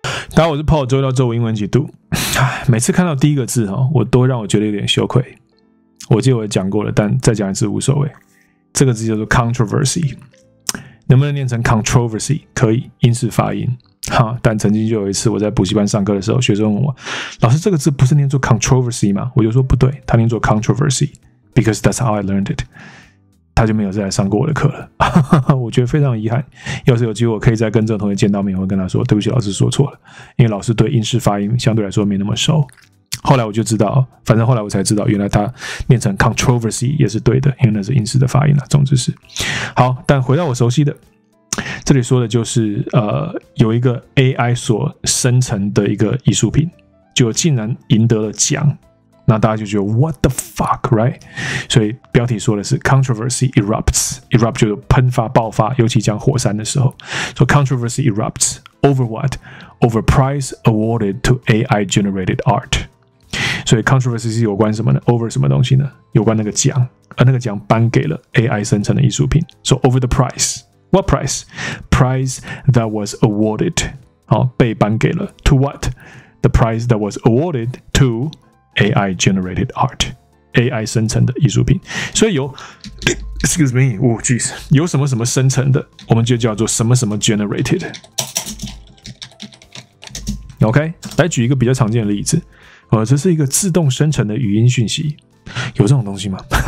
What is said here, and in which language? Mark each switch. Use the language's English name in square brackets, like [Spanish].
[Chinese] 大家好，我是 Paul， 周一到周五英文解读。每次看到第一个字我都让我觉得有点羞愧。我记得我讲过了，但再讲一次无所谓。这个字叫做 controversy， 能不能念成 controversy？可以，英式发音。哈，但曾经就有一次我在补习班上课的时候，学生问我：“老师，这个字不是念作 controversy 吗？” 我就说：“不对，他念作 controversy， [English] because that's how I learned it。” [Chinese] 他就没有再来上过我的课了，我觉得非常遗憾。要是有机会，我可以再跟这个同学见到面，我会跟他说：“对不起，老师说错了。” 因为老师对英式发音相对来说没那么熟。后来我就知道，反正后来我才知道，原来他念成 controversy 也是对的，因为那是英式的发音了。总之是好，但回到我熟悉的，这里说的就是有一个 AI 所生成的一个艺术品，就竟然赢得了奖。那大家就觉得 [English] What the fuck, right? [Chinese] 所以标题说的是 [English] Controversy erupts， [Chinese] erupt 就是喷发爆发，尤其讲火山的时候。 [English] So controversy erupts over what? Over prize awarded to AI generated art。 [Chinese] 所以 controversy 是有关什么呢？Over 什么东西呢？有关那个奖，而那个奖颁给了 AI 生成的艺术品。 [English] So over the prize， What prize? Prize that was awarded， [Chinese] 被颁给了 [English] To what? The prize that was awarded toAI generated art, [Chinese] AI 生成的艺术品。所以有 [English] excuse me, oh geez, [Chinese] 有什么什么生成的，我们就叫做什么什么 generated。 OK, 来举一个比较常见的例子，这是一个自动生成的语音讯息，有这种东西吗？